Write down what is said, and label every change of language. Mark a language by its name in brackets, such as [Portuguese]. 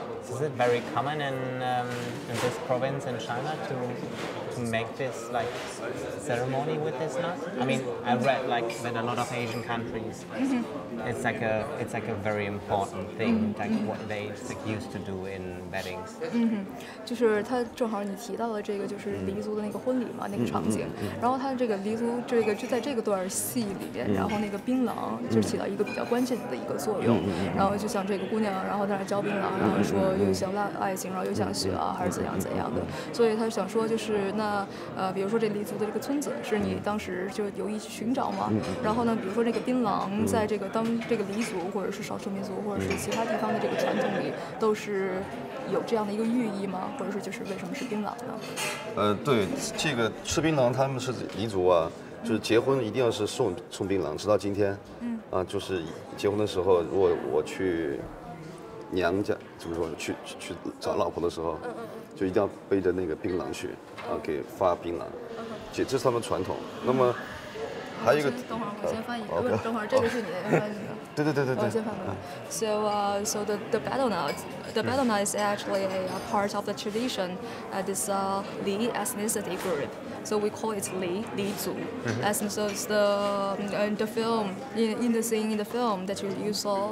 [English] Is it very common in this province in China to make this like ceremony with this nut? I mean, I read like that a lot of Asian countries, it's like a very important thing, like what they like, used to do in weddings. [Chinese] 就是他正好你提到了这个，就是黎族的那个婚礼嘛，那个场景。然后他这个黎族这个就在这个段戏里边，然后那个槟榔就起到一个比较关键的一个作用。然后就像这个姑娘，然后在那嚼槟榔，然后说又想爱情，然后又想雪啊，还是怎样怎样的。所以他想说就是。那比如说这黎族的这个村子是你当时就有意去寻找吗？然后呢，比如说那个槟榔，在这个当这个黎族或者是少数民族或者是其他地方的这个传统里，都是有这样的一个寓意吗？或者说就是为什么是槟榔呢？对，这个吃槟榔，他们是黎族啊，就是结婚一定要是送槟榔，直到今天。就是结婚的时候，如果我去娘家，怎么说去找老婆的时候，就一定要背着那个槟榔去。啊，给发槟榔，这是他们传统。那么，还有一个，等会儿我先翻译，等会儿这个是你的。对对对对对。 [English] So the betel nut is actually a part of the tradition at this Li ethnicity group. So we call it Li Zu. Mm-hmm. So it's the film, in the scene in the film that you saw.